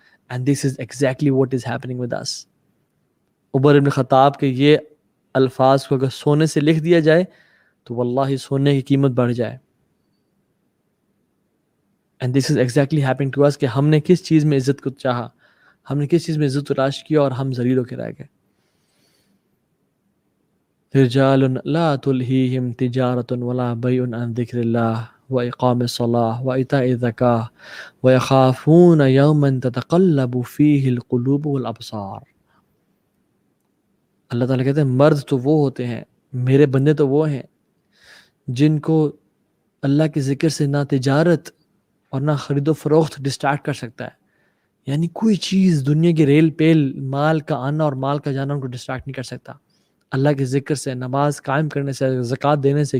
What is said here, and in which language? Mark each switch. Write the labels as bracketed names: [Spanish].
[English] And this is exactly what is happening with us. [Urdu] عمر بن خطاب کے یہ الفاظ کو اگر سونے سے لکھ دیا جائے تو واللہ سونے کی قیمت بڑھ جائے. [English] and this is exactly happening to us [Urdu] کہ ہم نے کس چیز میں عزت کو چاہا, ہم نے کس چیز میں عزت تلاش کی اور ہم ذلیل ہو کے رہ گئے. [Arabic] رجال لا تلهيهم تجارة ولا بيع عن ذكر الله وإقام الصلاة وإيتاء الزكاة ويخافون يوما تتقلب فيه القلوب والأبصار. [Urdu] اللہ تعالیٰ کہتے ہیں مرد تو وہ ہوتے ہیں, میرے بندے تو وہ ہیں جن کو اللہ کے ذکر سے نہ تجارت اور نہ خرید و فروخت ڈسٹریکٹ کر سکتا ہے, یعنی کوئی چیز دنیا کی ریل پیل مال کا آنا اور مال کا جانا ان کو ڈسٹریکٹ نہیں کر سکتا اللہ کے ذکر سے, نماز قائم کرنے سے, زکوٰۃ دینے سے.